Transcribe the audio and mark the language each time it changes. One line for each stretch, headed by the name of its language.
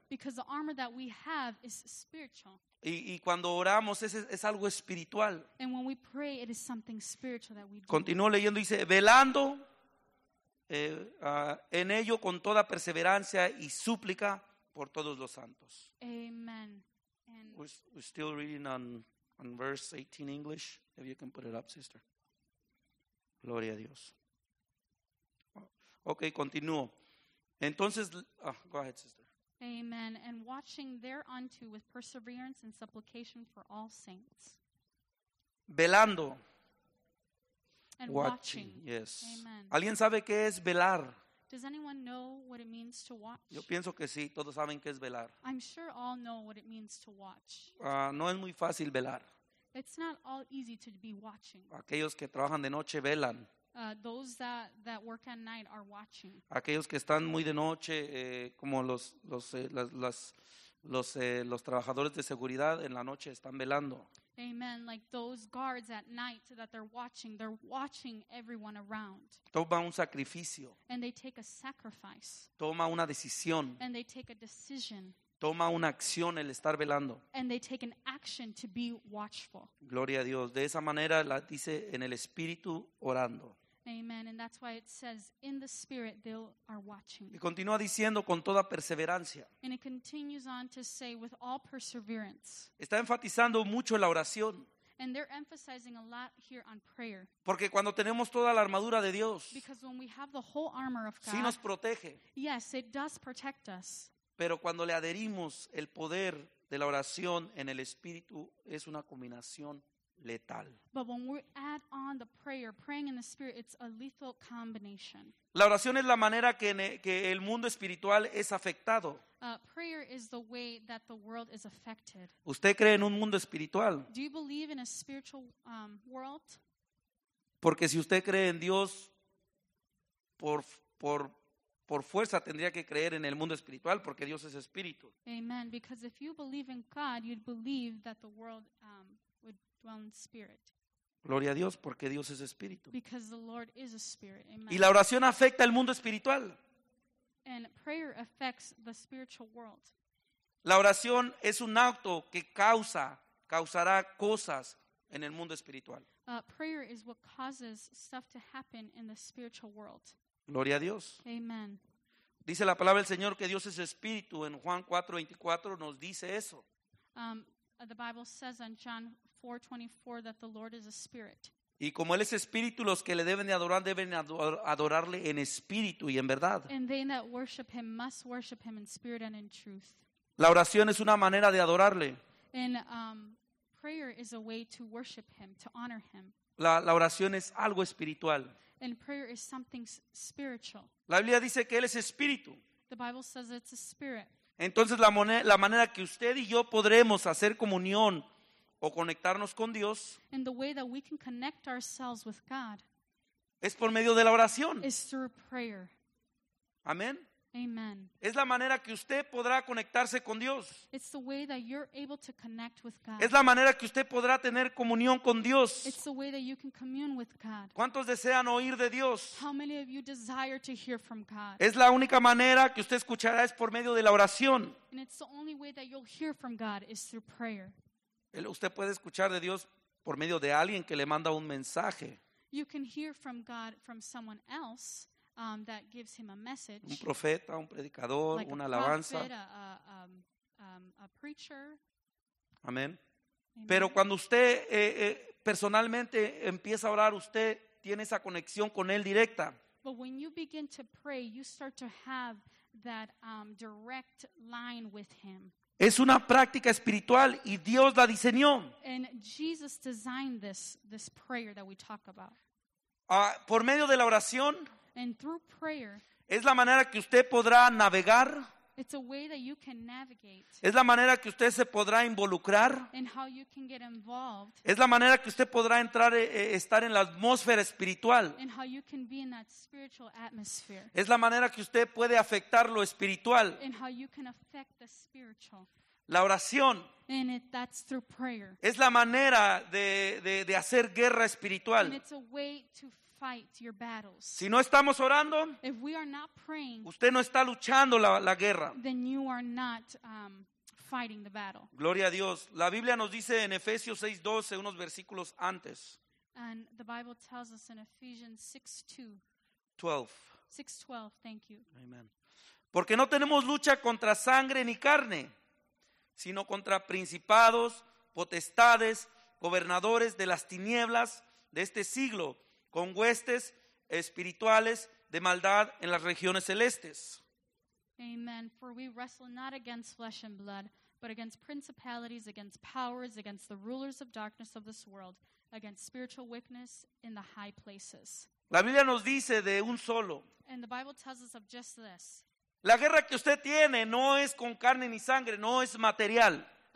English: Because the armor that we have is spiritual.
Spanish: Y cuando oramos es algo espiritual.
English: And when we pray, it is something spiritual that we do.
Spanish: Continúo leyendo, dice, velando en ello con toda perseverancia y súplica por todos los santos.
English: Amen. And we're still reading on verse 18 English. If you can put it up, sister.
Spanish: Gloria a Dios.
English: Okay, continúo. Entonces, go ahead, sister. Amen. And watching thereunto with perseverance and supplication for all saints.
Spanish: Velando.
English: And watching. Yes. Amen.
Spanish: ¿Alguien sabe qué es velar?
English: Does anyone know what it means to watch?
Spanish: Yo pienso que sí, todos saben qué es velar.
English: I'm sure all know what it means to watch.
Spanish: No es muy fácil velar.
English: It's not all easy to be watching.
Spanish: Aquellos que trabajan de noche velan.
English: Those that work at night are watching.
Spanish: Aquellos que están muy de noche, como los trabajadores de seguridad en la noche están velando.
English: Amen. Like those guards at night that they're watching everyone around.
Spanish: Toma un sacrificio.
English: And they take a sacrifice.
Spanish: Toma una decisión.
English: And they take a decision.
Spanish: Toma una acción el estar velando.
English: And they take an action to be watchful.
Spanish: Gloria a Dios. De esa manera la dice en el Espíritu orando.
English: Amen. And that's why it says in the Spirit they are watching.
Spanish: Y continúa diciendo con toda perseverancia.
English: And it continues on to say with all perseverance.
Spanish: Está enfatizando mucho la oración.
English: And they're emphasizing a lot here on prayer.
Spanish: Porque cuando tenemos toda la armadura de Dios.
English: Because when we have the whole armor of God.
Spanish: Sí nos protege.
English: Yes, it does protect us.
Spanish: Pero cuando le adherimos el poder de la oración en el Espíritu, es una combinación letal.
English: But when we add on the prayer, praying in the Spirit, it's a lethal combination.
Spanish: La oración es la manera que el mundo espiritual es afectado.
English: Prayer is the way that the world is affected.
Spanish: ¿Usted cree en un mundo espiritual?
English: Do you believe in a spiritual world?
Spanish: Porque si usted cree en Dios, por fuerza tendría que creer en el mundo espiritual porque Dios es espíritu.
English: Amen. Because if you believe in God, you'd believe that the world would dwell in spirit.
Spanish: Gloria a Dios porque Dios es espíritu.
English: Because the Lord is a spirit. Amen.
Spanish: Y la oración afecta el mundo espiritual.
English: And prayer affects the spiritual world.
Spanish: La oración es un acto que causará cosas en el mundo espiritual.
English: Prayer is what causes stuff to happen in the spiritual world.
Spanish: Gloria a Dios.
English: Amen.
Spanish: Dice la palabra del Señor que Dios es espíritu. En Juan 4:24 nos dice eso.
English: The Bible says in John 4:24 that the Lord is a spirit.
Spanish: Y como Él es espíritu, los que le deben de adorar deben adorarle en espíritu y en verdad.
English: And they that worship Him must worship Him in spirit and in truth.
Spanish: La oración es una manera de adorarle.
English: And prayer is a way to worship Him, to honor Him.
Spanish: La oración es algo espiritual.
English: And prayer is something spiritual.
Spanish: La Biblia dice que Él es espíritu.
English: The Bible says it's a spirit.
Spanish: Entonces la manera que usted y yo podremos hacer comunión o conectarnos con Dios.
English: And the way that we can connect ourselves with God.
Spanish: Es por medio de la oración.
English: Is through prayer.
Spanish: Amén.
English: Amen.
Spanish: Es la manera que usted podrá conectarse con Dios.
English: It's the way that you're able to connect with God.
Spanish: Es la manera que usted podrá tener comunión con Dios.
English: It's the way that you can commune with God.
Spanish: ¿Cuántos desean oír de Dios?
English: How many of you desire to hear from God?
Spanish: Es la única manera que usted escuchará es por medio de la oración.
English: And it's the only way that you'll hear from God is through prayer.
Spanish: Usted puede escuchar de Dios por medio de alguien que le manda un mensaje.
English: You can hear from God from someone else. That gives him a message.
Spanish: Un profeta, un predicador,
English: like
Spanish: una alabanza.
English: Prophet, a preacher.
Spanish: Amén. Pero cuando usted personalmente empieza a orar, usted tiene esa conexión con Él directa.
English: But when you begin to pray, you start to have that direct line with Him.
Spanish: Es una práctica espiritual y Dios la diseñó.
English: And Jesus designed this prayer that we talk about.
Spanish: Por medio de la oración.
English: And through prayer.
Spanish: Es la manera que usted podrá navegar.
English: It's a way that you can navigate.
Spanish: Es la manera que usted se podrá involucrar.
English: And how you can get involved.
Spanish: Es la manera que usted podrá entrar, estar en la atmósfera espiritual.
English: And how you can be in that spiritual atmosphere.
Spanish: Es la manera que usted puede afectar lo espiritual.
English: And how you can affect the spiritual.
Spanish: La oración.
English: And that's through prayer.
Spanish: Es la manera de hacer guerra espiritual.
English: And it's a way to fight your battles.
Spanish: Si no estamos orando,
English: if we are not praying,
Spanish: usted no está luchando la guerra.
English: Then you are not fighting the battle.
Spanish: Gloria a Dios. La Biblia nos dice en Efesios 6:12, unos versículos antes.
English: And the Bible tells us in Ephesians 6:12, thank you. Amen.
Spanish: Porque no tenemos lucha contra sangre ni carne, sino contra principados, potestades, gobernadores de las tinieblas de este siglo, con huestes espirituales de maldad en las regiones celestes.
English: Amen. For we wrestle not against flesh and blood, but against principalities, against powers, against the rulers of darkness of this world, against spiritual wickedness in the high places.
Spanish: La Biblia nos dice de un solo.
English: And the Bible tells us of just this.
Spanish: La guerra que usted tiene no es con carne ni sangre, no es material.